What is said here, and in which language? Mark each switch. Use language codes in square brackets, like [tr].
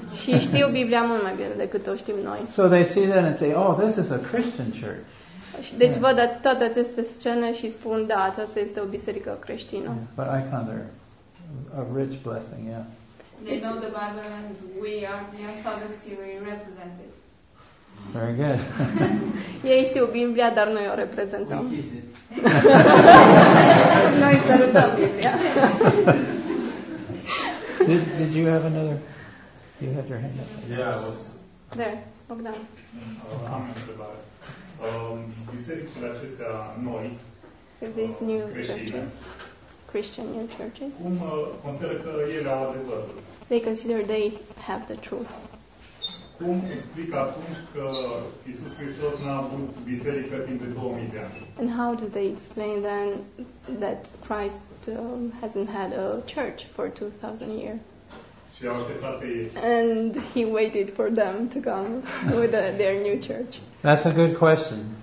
[ro] Și știu Biblia mult mai bine decât o știm noi. [en] So they see that and say, "Oh, this is a Christian church." [ro] Și deci văd toate aceste scene și spun, "Da, aceasta este o biserică creștină." [en] Yeah, but icons are a rich blessing, yeah. They know the Bible and we are the Orthodoxy we represent it. Very good. [ro] Ei știu Biblia, dar noi o reprezentăm. [en] We kiss it. [ro] Noi salutăm Biblia. [en] Did you have another? You had your hand up. Yeah, I was. There, Bogdan. [ro] Bisericile acestea noi. [en] These new churches. Christian new churches. [ro] Cum consideră că ele au adevărul? [en] They consider they have the truth. [ro] Cum explică atunci că Iisus Hristos n-a avut biserică timp de 2000 de ani? [en] And how do they explain then that Christ hasn't had a church for 2000 years? [ro] Și au așteptat pe ei. [en] And he waited for them to come with their new church. That's a good question.